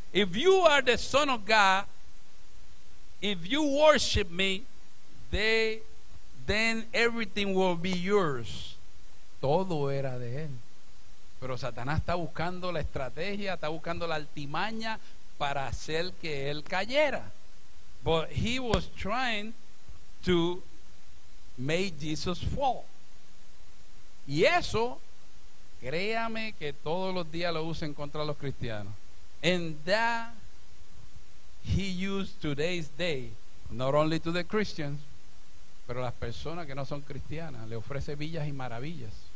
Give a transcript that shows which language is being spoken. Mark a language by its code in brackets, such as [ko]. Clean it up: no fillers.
[en] If you are the Son of God, if you worship me, then everything will be yours. [es] Todo era de él. Pero Satanás está buscando la estrategia, está buscando la artimaña para hacer que él cayera. [en] But he was trying to make Jesus fall. [es] Y eso, créame que todos los días lo usan contra los cristianos. [en] And that he used today's day, not only to the Christians, [es] pero las personas que no son cristianas, le ofrece villas y maravillas.